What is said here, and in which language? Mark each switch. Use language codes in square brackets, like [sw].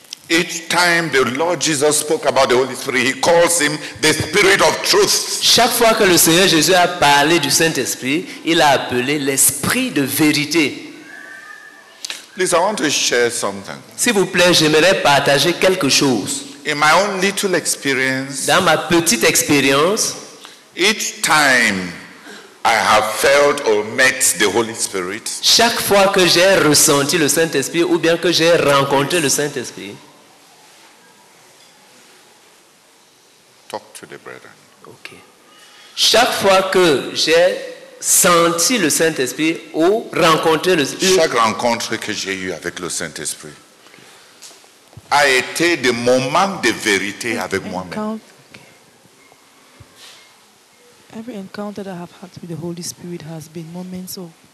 [en] Each time the Lord Jesus spoke about the Holy Spirit, he calls him the Spirit of Truth. [fr] Chaque fois que le Seigneur Jésus a parlé du Saint-Esprit, il a appelé l'Esprit de vérité. [en] Please, I want to share something. [fr] S'il vous plaît, j'aimerais partager quelque chose. [en] In my own little experience, [fr] dans ma petite expérience, [en] each time I have felt or met the Holy Spirit, [fr] chaque fois que j'ai ressenti le Saint-Esprit ou bien que j'ai rencontré le Saint-Esprit, [en] talk to the brethren. Okay. [fr] Chaque fois que j'ai senti le Saint-Esprit ou rencontré le Saint-Esprit. Chaque rencontre que j'ai eue avec le Saint-Esprit a été des moments de vérité avec moi-même. [en] Every encounter that I have had with the Holy Spirit has been moments of.